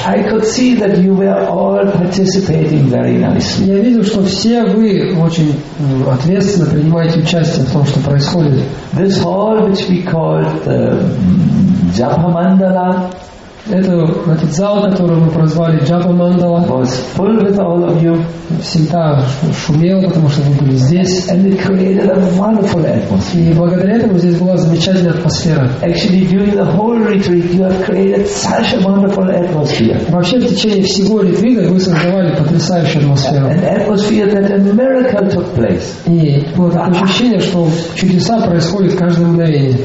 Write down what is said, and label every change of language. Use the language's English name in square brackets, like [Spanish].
[English] I could see that you were all participating very nicely. [Russian] Я видел, что все вы очень ответственно принимаете участие в том, что происходит. [English] This hall, which we called Japa Mandala, [Russian] этот зал, который мы прозвали Japa Mandala, [English] was full with all of you. [Russian] Всегда шумел, потому что вы были здесь. [English] And it created a wonderful atmosphere. [Russian] И благодаря этому здесь была замечательная атмосфера. [English] Actually, during the whole retreat, you have created such a wonderful atmosphere. [Russian] Вообще, в течение всего ретрита вы создавали потрясающую атмосферу. [English] An atmosphere that a miracle took place. [Russian] И было такое ощущение, что чудеса происходят каждое мгновение.